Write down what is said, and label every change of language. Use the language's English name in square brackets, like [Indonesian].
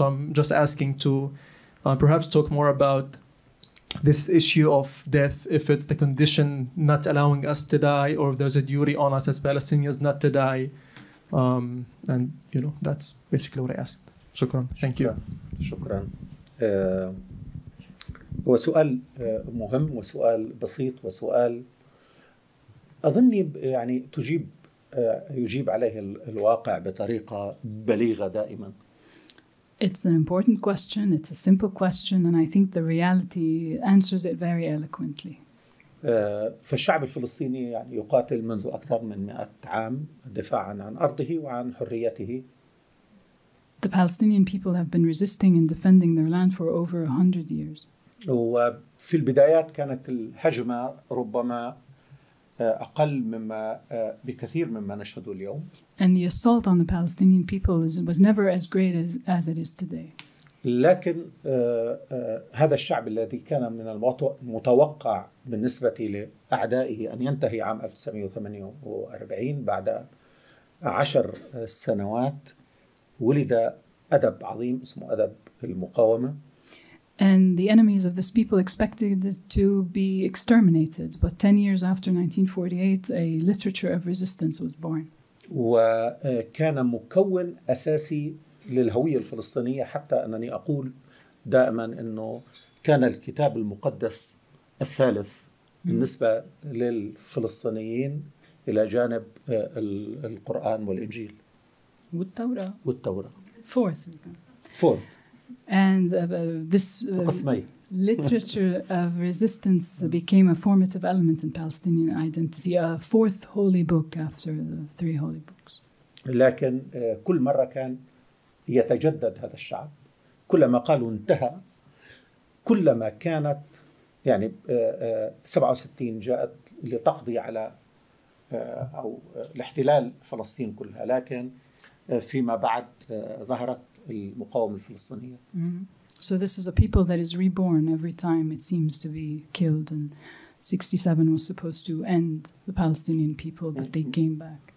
[English] So I'm just asking to perhaps talk more about this issue of death, if it's the condition not allowing us to die, or if there's a duty on us as Palestinians not to die. And, you know, that's basically what I asked. Shukran. Thank you. [Arabic] Shukran. هو سؤال مهم وسؤال بسيط وسؤال أظن يعني يجيب عليه الواقع بطريقة بليغة دائما. [English] It's an important question. It's a simple question, and I think the reality answers it very eloquently. [Arabic] فالشعب الفلسطيني يعني يقاتل منذ أكثر من 100 عام دفاعاً عن أرضه وعن حريته. [English] The Palestinian people have been resisting and defending their land for over 100 years. [Arabic] وفي البدايات كانت الهجمة ربما أقل مما بكثير مما نشهد اليوم. [English] And the assault on the Palestinian people was never as great as it is today. [Arabic] لكن هذا الشعب الذي كان من المتوقع بالنسبة لأعدائه أن ينتهي عام 1948 بعد 10 سنوات ولد أدب عظيم اسمه أدب المقاومة. [English] and the enemies of this people expected to be exterminated. But 10 years after 1948, a literature of resistance was born. [Arabic] وكان مكون أساسي للهوية الفلسطينية حتى أنني أقول دائما أنه كان الكتاب المقدس الثالث بالنسبة للفلسطينيين إلى جانب القرآن والإنجيل والتوراة والتوراة [English] Fourth. And this literature of resistance became a formative element in Palestinian identity, a fourth holy book after the three holy books. [Arabic] لكن كل مرة كان يتجدد هذا الشعب كلما قالوا انتهى كلما كانت يعني 67 جاءت لتقضي على أو لاحتلال فلسطين كلها لكن فيما بعد ظهرت المقاومة الفلسطينية. [English] So this is a people that is reborn every time it seems to be killed and 67 was supposed to end the Palestinian people but they came back